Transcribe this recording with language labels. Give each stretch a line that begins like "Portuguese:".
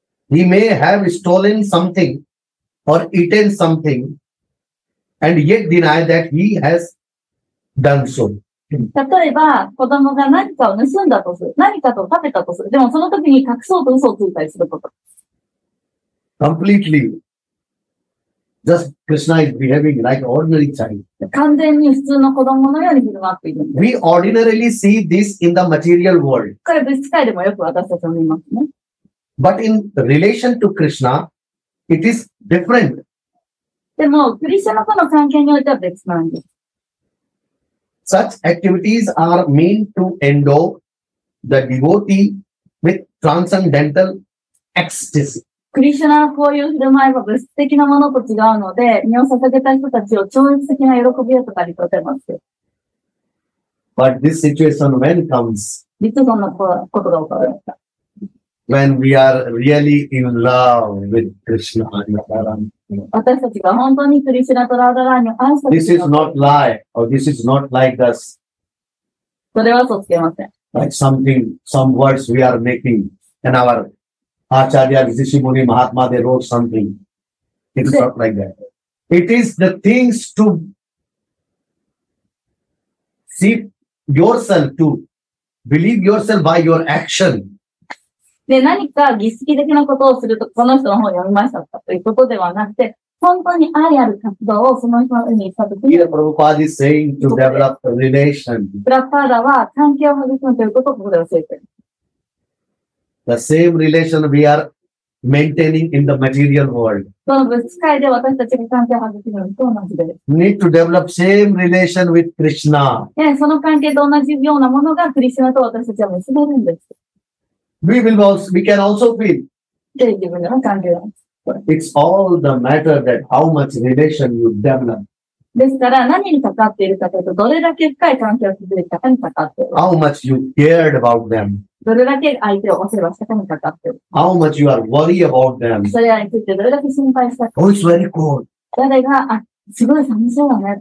English: he may have stolen something or eaten something and yet deny that he has done so.
Japanese: 例えば、子供が何かを盗んだとする、何かと食べたとする、でもその時に隠そうと嘘をついたりすること。
English: Completely. Just Krishna is behaving like ordinary child.
Japanese: 完全に普通の子供のように振る舞っているんです。
English: We ordinarily see this in the material world.
Japanese: これ物質界でもよく私たちは見ますね。
English: But in relation to Krishna, it is different.
Japanese: でも、クリシナとの関係においては別なんです。
English: Such activities are meant to endow the devotee with transcendental ecstasy.
Japanese: クリシュナはこういう振る舞いは物質的なものと違うので、身を捧げた人たちを超越的な喜びを語りとてます。
English: But this situation when comes?
Japanese: いつそんなことが起こるのか。
English: When we are really in love with Krishna and Radharani.
Japanese: 私たちが本当にクリシュナとラダラーニを愛した時に。
English: This is not lie, or this is not like us.
Japanese: それは嘘つけません。
English: Like something, some words we are making in our Acharya, Rishi Muni, Mahatma, they wrote something. It's not like that. It is the things to see yourself, to believe yourself by your action.
Japanese: で、何か儀式的なことをすると、その人の方を読みましたということではなくて、本当に愛ある活動をその人にしたときに。
English: Here, Prabhupada is saying to develop a relation.
Japanese: プラパーダは関係を育むということをここで教えている。
English: The same relation we are maintaining in the material world.
Japanese: その物質界で私たちが関係を築くのと同じです。
English: Need to develop same relation with Krishna.
Japanese: え、その関係と同じようなものがクリシナと私たちは結ばれるんです。
English: We will also, we can also feel.
Japanese: で、自分の関係は。
English: It's all the matter that how much relation you develop.
Japanese: ですから何にかかっているかというと、どれだけ深い関係を築いたかにかかっている。
English: How much you cared about them.
Japanese: どれだけ相手をお世話したかにかかっている。
English: How much you are worried about them?
Japanese: それらについてどれだけ心配したか。
English: Oh, it's very cold.
Japanese: 誰が、あ、すごい寒そうだね。